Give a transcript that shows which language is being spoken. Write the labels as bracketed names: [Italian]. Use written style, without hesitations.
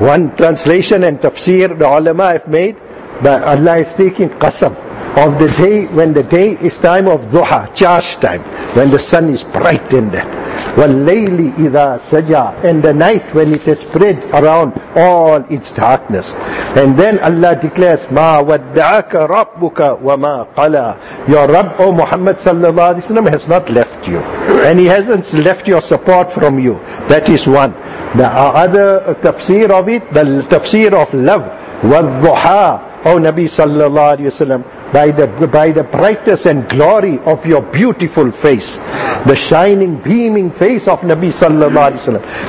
[English] One translation and tafsir the ulama have made, but Allah is taking qasam of the day when the day is time of duha, charge time, when the sun is bright in that. [Arabic] وَاللَّيْلِ إِذَا سَجَى. [English] And the night when it has spread around all its darkness. And then Allah declares, [Arabic] مَا وَدَّعَكَ رَبُّكَ وَمَا قَلَى. [English] Your Rabb, O Muhammad sallallahu alayhi wa sallam, has not left you. And he hasn't left your support from you. That is one. The other tafsir of it, the tafsir of love, وَالضُّحَى. O Nabi sallallahu alayhi wa sallam, By the brightness and glory of your beautiful face, the shining, beaming face of Nabi sallallahu alaihi wasallam.